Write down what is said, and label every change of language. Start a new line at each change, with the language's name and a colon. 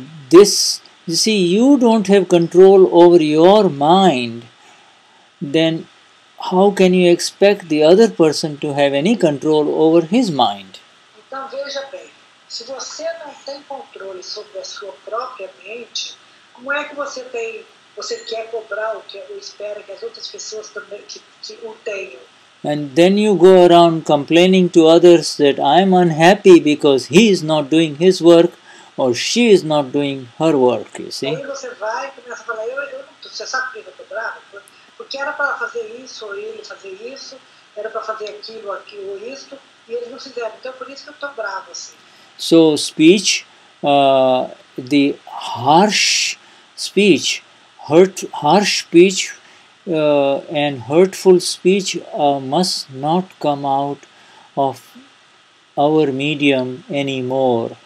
English: You see, you don't have control over your mind, then how can you expect the other person to have any control over his mind?
Portuguese: Então veja bem. Se você não tem controle sobre a sua própria mente, como é que você tem? Você quer cobrar o que ou espera que as outras pessoas também que o tenham?
English: And then you go around complaining to others that I'm unhappy because he is not doing his work or she is not doing her work, you see?
Portuguese: Aí você vai e começa a falar, você sabe por que eu tô bravo? Porque era para fazer isso ou ele fazer isso, era para fazer aquilo ou isto, e eles não fizeram. Então por isso que eu tô bravo, assim.
English: So speech, the harsh speech, and hurtful speech must not come out of our medium anymore.